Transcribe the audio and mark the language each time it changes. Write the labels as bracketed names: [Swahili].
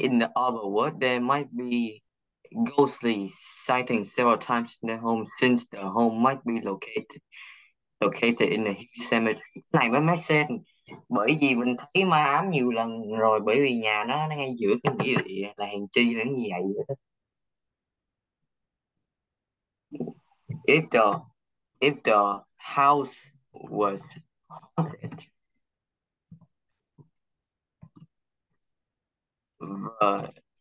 [English] In the other word, there might be ghostly sighting several times in the home since the home might be located in the cemetery. [Vietnamese] Cái này mới [English] make sense [Vietnamese] bởi vì mình thấy ma ám nhiều lần rồi, bởi vì nhà nó ngay giữa cái nghĩa địa là hèn chi là như vậy. [English] If the house was haunted,